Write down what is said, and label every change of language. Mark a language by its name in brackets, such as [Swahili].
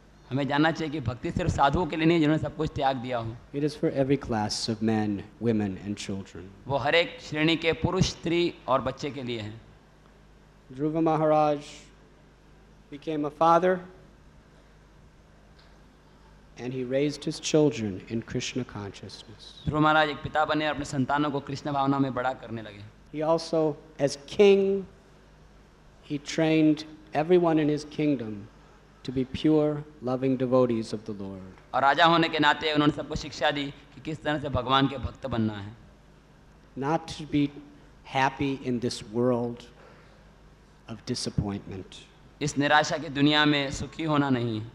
[Hindi] हमें जानना चाहिए कि भक्ति सिर्फ साधुओं के लिए नहीं है जिन्होंने सब कुछ त्याग दिया हो. [English] It is for every class of men, women and children. [Hindi] वो हर एक श्रेणी के पुरुष, स्त्री और बच्चे के लिए है. [English] Dhruva Maharaj became a father. And he raised his children in Krishna consciousness. [Hindi] ध्रुव महाराज एक पिता बने अपने संतानों को कृष्ण भावना में बड़ा करने लगे. [English] He also, as king, he trained everyone in his kingdom to be pure, loving devotees of the Lord. [Hindi] और राजा होने के नाते उन्होंने सबको शिक्षा दी कि किस तरह से भगवान के भक्त बनना है. [English] Not to be happy in this world of disappointment. [Hindi] इस निराशा की दुनिया में सुखी होना नहीं.